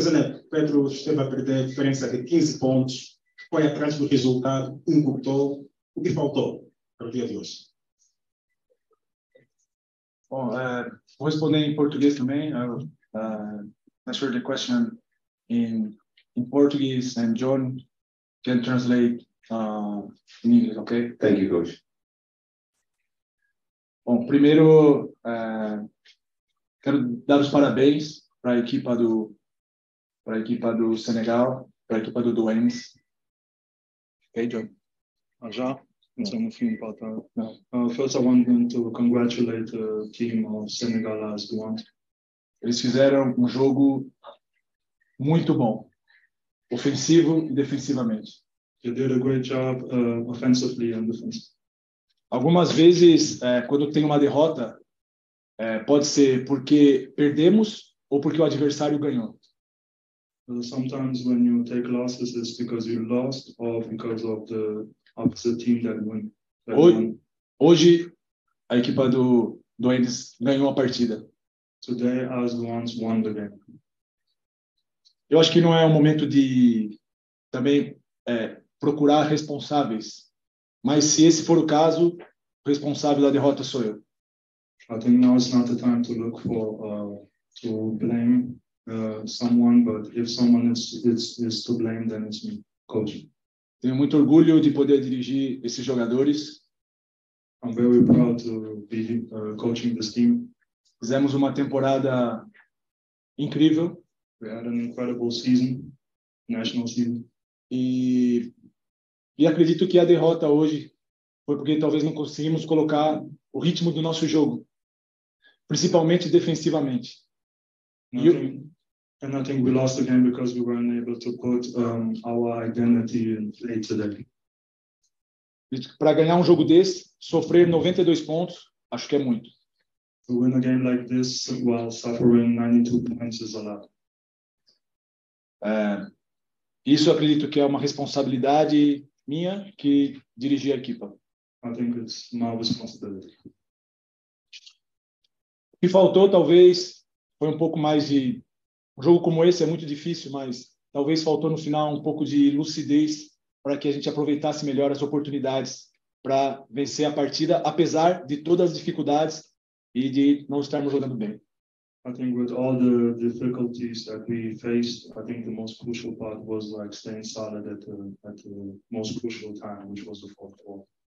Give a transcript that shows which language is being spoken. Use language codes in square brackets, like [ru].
[pt] Zanetti, Pedro esteve a perder a diferença de 15 pontos, foi atrás do resultado, incutou. O que faltou para o dia de hoje? Bom, vou responder em português também. [en] I'm sure the question in Portuguese and John can translate in English, okay? Thank you, coach. [pt] Bom, primeiro, quero dar os parabéns para a equipa do Senegal, para a equipa do Duendes. [en] Ok, John? [pt] Ah, já? Então, no fim, falta... [en] First, I want to congratulate the team of Senegal as Duendes. [pt] Eles fizeram um jogo muito bom, ofensivo e defensivamente. [en] They did a great job offensively and defensively. [pt] Algumas vezes, quando tem uma derrota, pode ser porque perdemos ou porque o adversário ganhou. [en] Sometimes when you take losses, it's because you lost or because of the opposite team that won. [pt] Hoje, a equipa do Duendes ganhou a partida. [en] Today, as ones won the game. [pt] Eu acho que não é o momento de também procurar responsáveis. Mas se esse for o caso, o responsável da derrota sou eu. [en] I think now is not the time to look for to blame someone, but if someone is to blame, then it's me, coach. [pt] Tenho muito orgulho de poder dirigir esses jogadores. [en] I'm very proud to be coaching this team. [pt] Fizemos uma temporada incrível. [en] We had an incredible season, national season. [pt] E acredito que a derrota hoje foi porque talvez não conseguimos colocar o ritmo do nosso jogo, principalmente defensivamente. [en] I think we lost the game because we weren't able to put our identity in play today. [pt] Para ganhar um jogo desse, sofrer 92 pontos, acho que é muito. [en] To win a game like this while suffering 92 points is a lot. [pt] Isso acredito que é uma responsabilidade minha, que dirigir a equipa. [en] I think it's my responsibility. [pt] O que faltou, talvez, foi um pouco mais de... Um jogo como esse é muito difícil, mas talvez faltou no final um pouco de lucidez para que a gente aproveitasse melhor as oportunidades para vencer a partida, apesar de todas as dificuldades e de não estarmos jogando bem. [en] I think with all the difficulties that we faced, I think the most crucial part was like staying solid at the most crucial time, which was the fourth quarter.